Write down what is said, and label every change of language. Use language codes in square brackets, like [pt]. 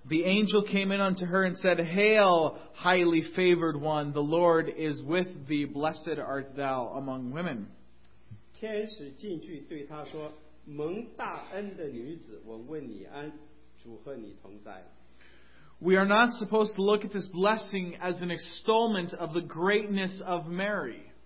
[en] the angel came in unto her and said, Hail, highly favored one, the Lord is with thee, blessed art thou among women. [zh] 天使进去对他说, 蒙大恩的女子,我问你安, 主和你同在。 [en] We are not supposed to look at this blessing as an extolment of the greatness of Mary.